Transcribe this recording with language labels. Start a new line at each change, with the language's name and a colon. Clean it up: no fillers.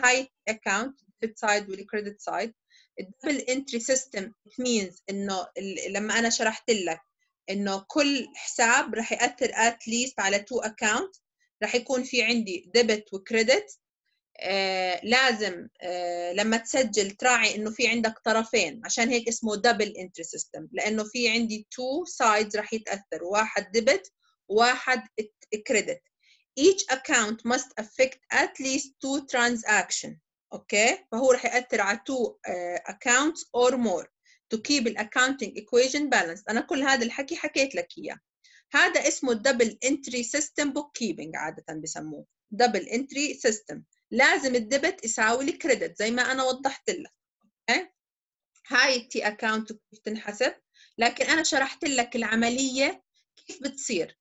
Arabic: هاي اكاونت ديبت سايد والكريدت سايد الدبل انتري سيستم، مينز انه لما انا شرحت لك انه كل حساب رح ياثر اتليست على تو اكاونت، رح يكون في عندي ديبت وكريدت. لازم لما تسجل تراعي انه في عندك طرفين، عشان هيك اسمه دبل انتري سيستم، لانه في عندي تو سايدز راح يتاثر، واحد ديبت واحد كريدت.
English: Each account must affect at least two transactions. Okay?
Arabic: فهو رح يأثر على
English: two accounts or more to keep the accounting equation balanced.
Arabic: أنا كل هذا الحكي حكيت لك إياه. هذا اسمه double entry system bookkeeping عادة بسموه.
English: Double entry system.
Arabic: لازم الديبت يساوي الكريدت زي ما أنا وضحت لك.
English: Okay?
Arabic: هاي التي account كيف تنحسب. لكن أنا شرحت لك العملية كيف بتصير.